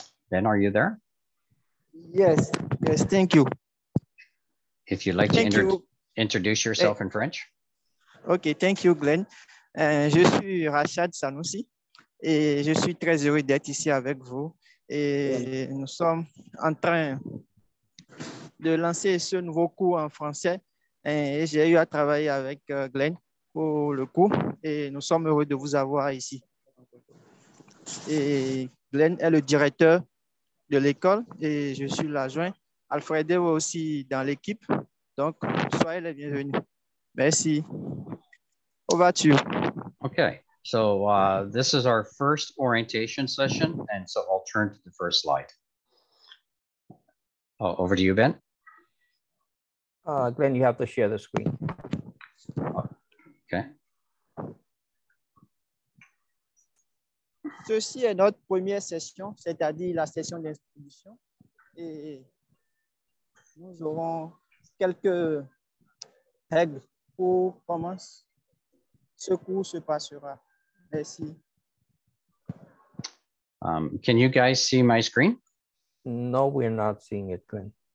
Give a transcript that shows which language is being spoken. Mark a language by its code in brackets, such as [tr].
[en] Ben, are you there? Yes, yes, thank you. If you'd like introduce yourself in French. Okay, thank you, Glenn. [fr] Je suis Rachad Sanoussi et je suis très heureux d'être ici avec vous. Et nous sommes en train de lancer ce nouveau cours en français. Et j'ai eu à travailler avec Glenn pour le cours et nous sommes heureux de vous avoir ici. Et Glenn est le directeur de l'école et je suis l'adjoint. Alfredo est aussi dans l'équipe, donc soyez les bienvenus. [en] Merci. Over to you. Okay, so this is our first orientation session, and so I'll turn to the first slide. Over to you, Ben. Glenn, you have to share the screen. Okay. [fr] Ceci est notre première session, c'est-à-dire la session d'introduction, et nous aurons quelques règles pour commencer. Ce cours se passera. Merci. [en] Can you guys see my screen? No, we're not seeing it, Glenn.